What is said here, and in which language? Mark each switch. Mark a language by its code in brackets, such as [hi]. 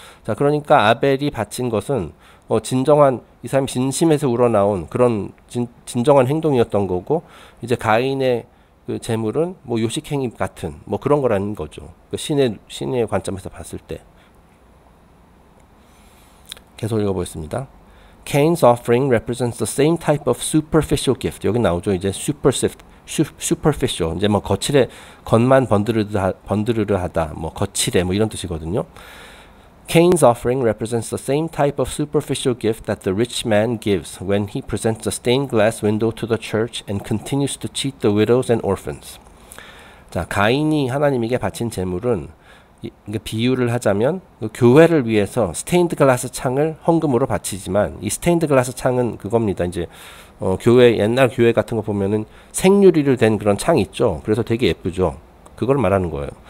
[ko] 자, 그러니까 아벨이 바친 것은, 진정한, 이 사람이 진심에서 우러나온 그런 진정한 행동이었던 거고, 이제 가인의 그 재물은 뭐 요식행위 같은, 뭐 그런 거라는 거죠. 그 신의 관점에서 봤을 때. 계속 읽어보겠습니다. [en] Cain's offering represents the same type of superficial gift. [ko] 여기 나오죠. 이제 superficial. 이제 뭐 거칠해, 겉만 번드르르하다, 뭐 거칠해, 뭐 이런 뜻이거든요. [en] Cain's offering represents the same type of superficial gift that the rich man gives when he presents a stained glass window to the church and continues to cheat the widows and orphans. [ko] 자, 가인이 하나님에게 바친 제물은 비유를 하자면 교회를 위해서 스테인드 글라스 창을 헌금으로 바치지만 이 스테인드 글라스 창은 그겁니다. 이제 교회 옛날 교회 같은 거 보면은 생유리로 된 그런 창 있죠. 그래서 되게 예쁘죠. 그걸 말하는 거예요.